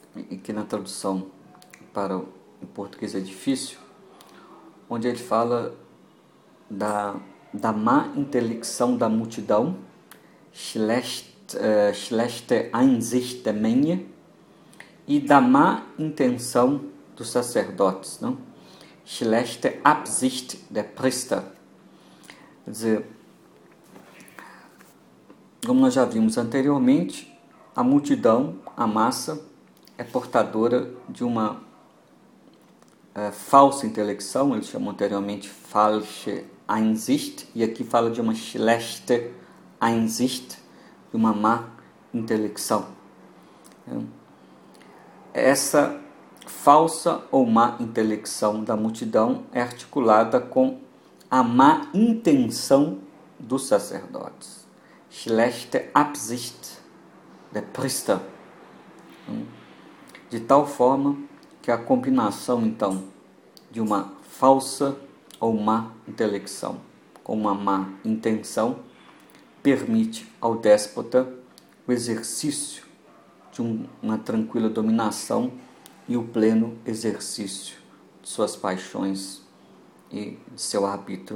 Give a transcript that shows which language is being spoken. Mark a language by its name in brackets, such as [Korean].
[Portuguese] e que na tradução para o português é difícil, onde ele fala da má intelecção da multidão, [German] schlechte Einsicht der Menge, [Portuguese] e da má intenção dos sacerdotes, não? [German] Schlechte Absicht der Priester. [Portuguese] Quer dizer, como nós já vimos anteriormente, a multidão, a massa, é portadora de uma falsa intelecção, ele chamou anteriormente [German] falsche Einsicht, [Portuguese] e aqui fala de uma [German] schlechte Einsicht, [Portuguese] de uma má intelecção. Essa falsa ou má intelecção da multidão é articulada com a má intenção dos sacerdotes. [German] Schlechte Absicht der Priester. [Portuguese] De tal forma que a combinação, então, de uma falsa ou má intelecção com uma má intenção permite ao déspota o exercício de uma tranquila dominação e o pleno exercício de suas paixões e de seu arbítrio.